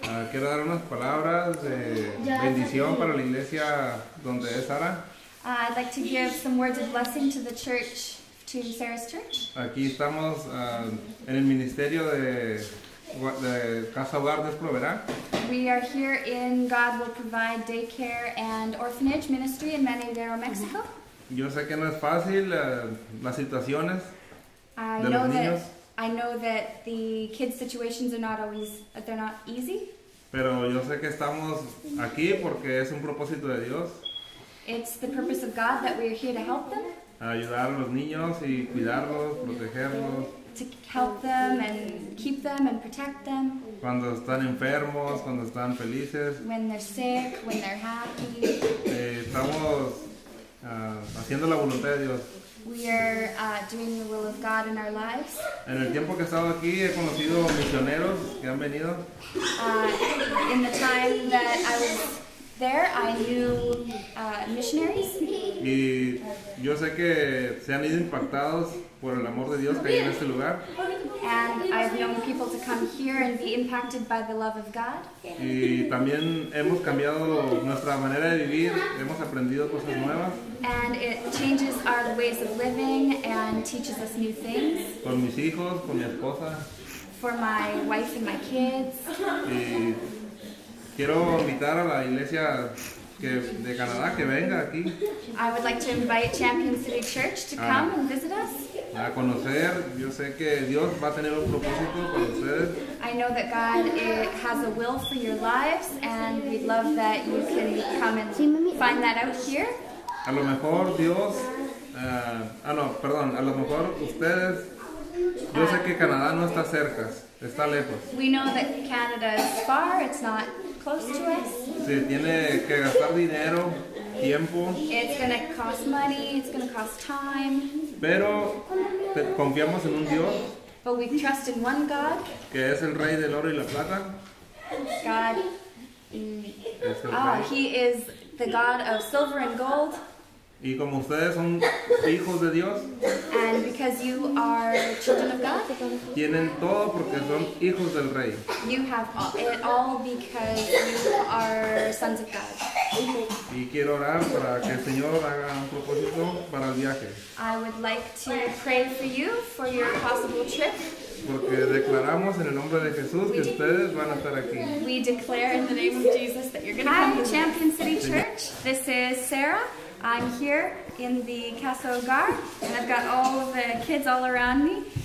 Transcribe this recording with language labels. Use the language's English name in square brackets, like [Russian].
[Spanish] Quiero dar unas palabras de bendición para la iglesia donde es Sara. [English] I'd like to give some words of blessing to the church, to Sarah's church. [Spanish] Aquí estamos en el ministerio de Casa Hogar Dios Proveerá. [English] We are here in God Will Provide Daycare and Orphanage Ministry in Manzanillo, Mexico. [Spanish] Yo sé que no es fácil las situaciones de los niños. [English] I know that the kids' situations are not always, they're not easy. [Spanish] Pero yo sé que estamos aquí porque es un propósito de Dios. [English] It's the purpose of God that we are here to help them. [Spanish] A ayudar a los niños y cuidarlos, protegerlos. [English] To help them and keep them and protect them. [Spanish] Cuando están enfermos, cuando están felices. [English] When they're sick, when they're happy. [Spanish] Estamos haciendo la voluntad de Dios. [English] We are doing the will of God in our lives. [Spanish] En el tiempo que he estado aquí he conocido misioneros que han venido. [English] In the time that I was there, I knew missionaries. [Spanish] Y yo sé que se han ido impactados por el amor de Dios que hay en este lugar. [English] And I've known people to come here and be impacted by the love of God. [Spanish] Y también hemos cambiado nuestra manera de vivir, hemos aprendido cosas nuevas. [English] And it changes our ways of living and teaches us new things. [Spanish] Con mis hijos, con mi esposa. [English] For my wife and my kids. [Spanish] Y quiero invitar a la iglesia que de Canadá que venga aquí. [English] I would like to invite Champion City Church to come and visit us. [Spanish] A conocer, yo sé que Dios va a tener un propósito para ustedes. [English] I know that God has a will for your lives, and we'd love that you can come and find that out here. [Spanish] A lo mejor Dios, a lo mejor ustedes, yo sé que Canadá no está cerca, está lejos. [English] We know that Canada is far, it's not close to us. [Spanish] Sí, tiene que gastar dinero, tiempo. [English] It's going to cost money, it's going to cost time. [Spanish] Pero confiamos en un Dios. [English] But we trust in one God. [Spanish] Que es el Rey del Oro y la Plata. [English] God. [Spanish] Rey. [English] He is the God of silver and gold. [Spanish] Y como ustedes son hijos de Dios. [English] And because you are children of God. [Spanish] Tienen todo porque son hijos del Rey. [English] You have it all because you are sons of God. [Spanish] Y quiero orar para que el Señor haga un propósito para el viaje. [English] I would like to pray for you for your possible trip. [Spanish] Porque declaramos en el nombre de Jesús que ustedes van a estar aquí. [English] We declare in the name of Jesus that you're going to come. Hi, Champion City Church. This is Sarah. I'm here in the Casa Hogar, and I've got all of the kids all around me.